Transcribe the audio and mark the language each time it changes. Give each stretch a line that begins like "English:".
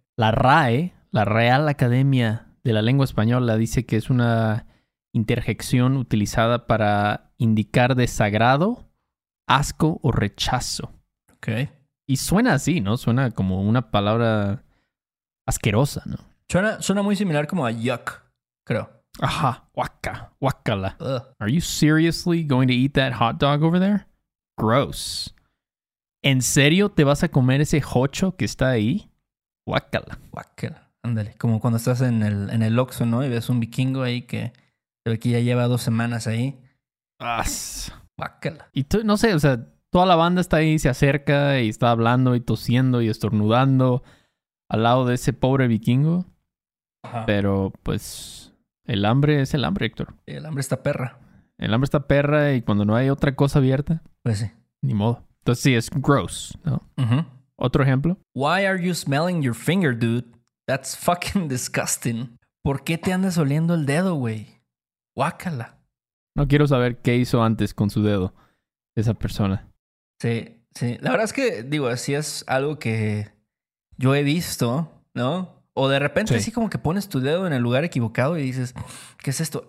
Spanish: La RAE, la Real Academia de la Lengua Española, dice que es una interjección utilizada para indicar desagrado, asco o rechazo. Okay. Y suena así, ¿no? Suena como una palabra asquerosa, ¿no? Suena muy similar como a yuck, creo. Ajá, guaca, guacala.
English: Are you seriously going to eat that hot dog over there? Gross.
Spanish: ¿En serio te vas a comer ese jocho que está ahí? Guácala. Guácala. Ándale. Como cuando estás en el Oxxo, ¿no? Y ves un vikingo ahí que ya lleva 2 semanas ahí. ¡As! Guácala. Y tú, no sé, o sea, toda la banda está ahí, se acerca y está hablando y tosiendo y estornudando al lado de ese pobre vikingo. Ajá. Pero, pues, el hambre es el hambre, Héctor. El hambre está perra. El hambre está perra y cuando no hay otra cosa abierta... Pues sí. Ni modo. Entonces sí, es gross, ¿no? Ajá. Otro ejemplo.
English: Why are you smelling your finger, dude? That's fucking disgusting.
Spanish: ¿Por qué te andas oliendo el dedo, güey? Guácala. No quiero saber qué hizo antes con su dedo esa persona. Sí, sí. La verdad es que, digo, así es algo que yo he visto, ¿no? O de repente así como que pones tu dedo en el lugar equivocado y dices, ¿qué es esto?